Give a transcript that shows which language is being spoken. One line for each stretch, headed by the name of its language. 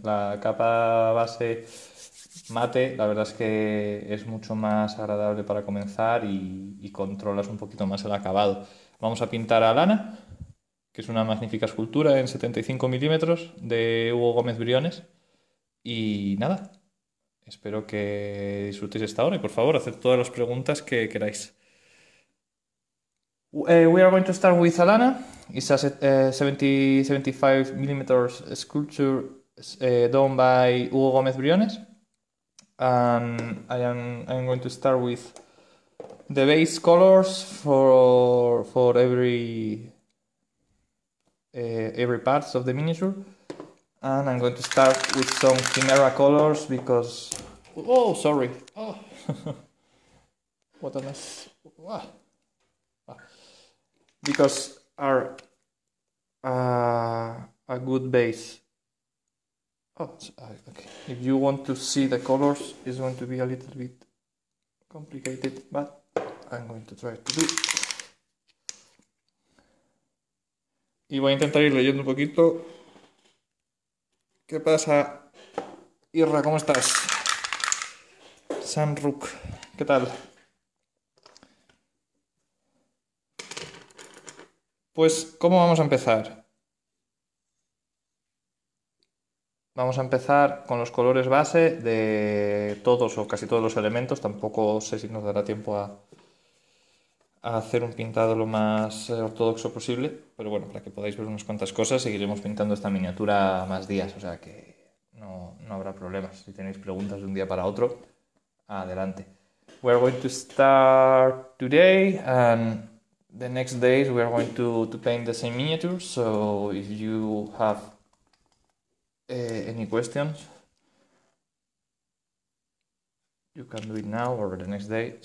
Spanish: La capa base mate, la verdad es que es mucho más agradable para comenzar y controlas un poquito más el acabado. Vamos a pintar a Lana, que es una magnífica escultura en 75 milímetros de Hugo Gómez Briones. Y nada, espero que disfrutéis esta hora y por favor, haced todas las preguntas que queráis.
English: We are going to start with Alana. It's a 75 mm sculpture done by Hugo Gómez Briones. I'm going to start with the base colors for every parts of the miniature. And I'm going to start with some Chimera colors because. Oh, sorry. Oh. What a mess. Because are a good base. Oh, okay. If you want to see the colors, it's going to be a little bit complicated, but I'm going to try to do.
Spanish: Y voy a intentar ir leyendo un poquito. ¿Qué pasa, Irra? ¿Cómo estás? Sanruk, ¿qué tal? Pues, ¿cómo vamos a empezar? Vamos a empezar con los colores base de todos o casi todos los elementos. Tampoco sé si nos dará tiempo a hacer un pintado lo más ortodoxo posible, pero bueno, para que podáis ver unas cuantas cosas, seguiremos pintando esta miniatura más días, o sea que no habrá problemas. Si tenéis preguntas de un día para otro, adelante.
English: We are going to start today and the next days we are going to paint the same miniature, so if you have any questions, you can do it now or the next day.